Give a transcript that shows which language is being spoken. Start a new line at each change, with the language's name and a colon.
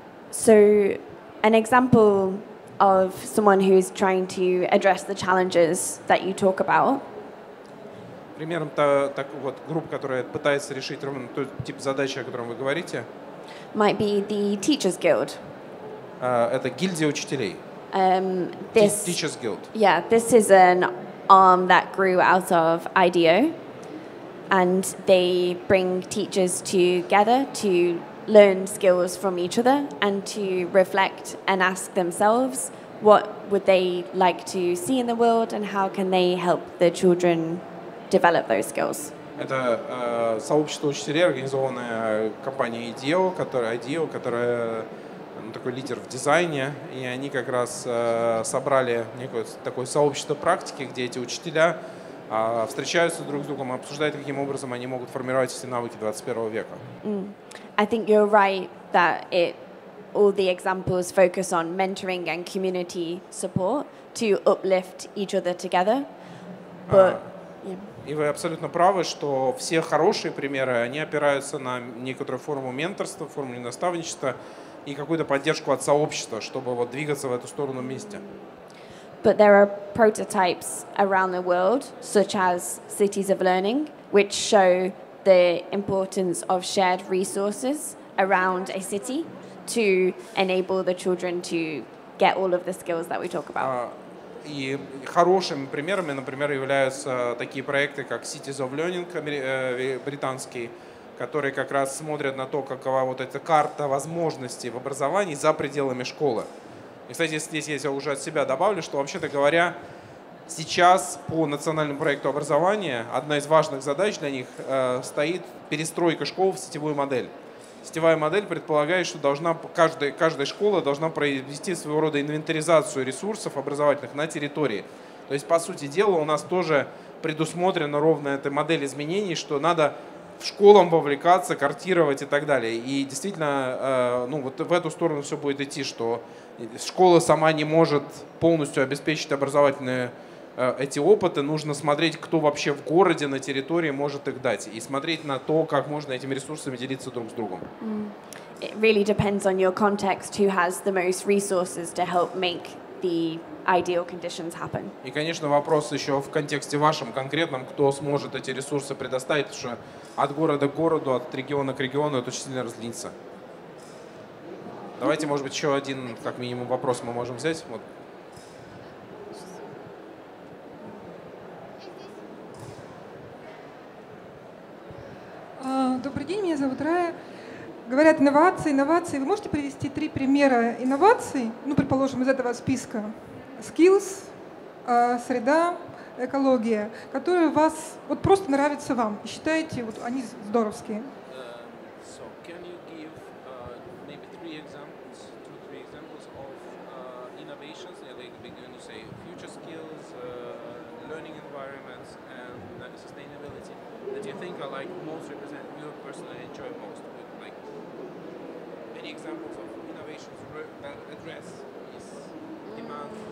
English: So an example of someone who's trying to address the challenges that you talk about.
Russian: Примером так вот группа, которая пытается решить ровно тот тип задачи, о котором вы говорите.
English: Might be the Teachers Guild.
Russian: Это гильдия учителей. Teachers Guild.
English: Yeah, this is an arm that grew out of IDEO, and they bring teachers together to learn skills from each other and to reflect and ask themselves what would they like to see in the world and how can they help the children develop those skills.
Russian: Это сообщество учителей, организованное компанией IDEO, которая такой лидер в дизайне, и они как раз собрали некое такое сообщество практики, где эти учителя встречаются друг с другом, обсуждают, каким образом они могут формировать все навыки 21 века.
English: I think you're right that all the examples focus on mentoring and community support to uplift each other together.
Russian: И вы абсолютно правы, что все хорошие примеры, они опираются на некоторую форму менторства, форму наставничества и какую-то поддержку от сообщества, чтобы вот двигаться в эту сторону вместе.
English: But there are prototypes around the world, such as cities of learning, which show the importance of shared resources around a city to enable the children to get all of the skills that we talk about.
Russian: И хорошими примерами, например, являются такие проекты, как Cities of Learning, британские, которые как раз смотрят на то, какова вот эта карта возможностей в образовании за пределами школы. И, кстати, здесь я уже от себя добавлю, что, вообще-то говоря, сейчас по национальному проекту образования одна из важных задач для них стоит перестройка школ в сетевую модель. Сетевая модель предполагает, что каждая школа должна провести своего рода инвентаризацию ресурсов образовательных на территории. То есть, по сути дела, у нас тоже предусмотрена ровно эта модель изменений, что надо в школам вовлекаться, картировать и так далее. И действительно, ну вот в эту сторону все будет идти, что школа сама не может полностью обеспечить образовательные эти опыты. Нужно смотреть, кто вообще в городе, на территории может их дать. И смотреть на то, как можно этими ресурсами делиться друг с другом.
English: It really depends on your context, who has the most resources to help make the ideal conditions happen.
Russian: И, конечно, вопрос еще в контексте вашем конкретном, кто сможет эти ресурсы предоставить, потому что от города к городу, от региона к региону это очень сильно разнится. Давайте, может быть, еще один, как минимум, вопрос мы можем взять. Вот. Добрый день, меня зовут Рая. Говорят, инновации. Вы можете привести три примера инноваций, ну, предположим, из этого списка? Skills, среда, экология, которые вас вот просто нравятся вам и считаете, вот они здоровские.
English: So can you give maybe two, three examples of innovations, like beginning to say future skills, learning environments and sustainability that you think are like most represent you personally enjoy most, with, like any examples of innovations that address this demand.